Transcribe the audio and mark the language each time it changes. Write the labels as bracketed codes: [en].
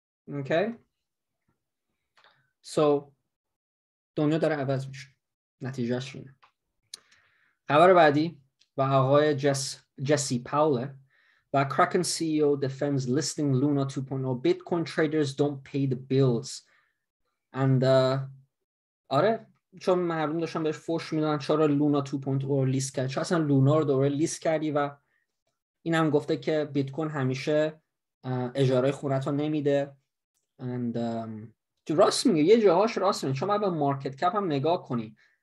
[en] Okay? [fa] So دنیا داره عوض میشه. نتیجهش اینه. خبر بعدی با آقای جسی پاوله و [en] Kraken CEO defends listing Luna 2.0. Bitcoin traders don't pay the bills. [fa] And آره چون مردم داشتن بهش فوش میدن چرا لونا 2.0 رو لیست کردی، چرا اصلا لونا رو دوباره لیست کردی، و این هم گفته که بیتکوین همیشه اجاره خونت رو نمیده. And تو راست میگه، یه جاهاش راست میگه، چون ما به مارکت کپ هم نگاه کنی.